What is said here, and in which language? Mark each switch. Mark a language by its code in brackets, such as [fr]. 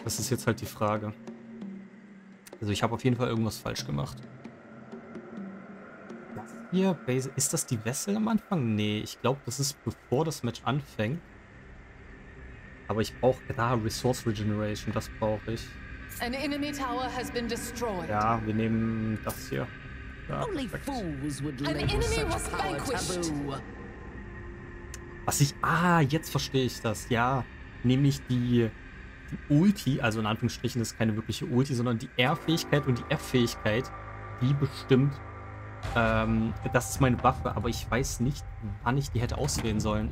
[de] Das ist jetzt halt die Frage. Also ich habe auf jeden Fall irgendwas falsch gemacht. Hier, Base. Ist das die Vessel am Anfang? Nee, ich glaube, das ist bevor das Match anfängt. Aber ich brauche da Resource Regeneration, das brauche ich. [en] An enemy tower has been destroyed. [de] Ja, wir nehmen das hier. [en] Ja, only fools would an enemy was vanquished. [de] Was ich. Ah, jetzt verstehe ich das. Ja, nämlich die Ulti, also in Anführungsstrichen ist keine wirkliche Ulti, sondern die R-Fähigkeit und die F-Fähigkeit, die bestimmt. Das ist meine Waffe, aber ich weiß nicht, wann ich die hätte auswählen sollen.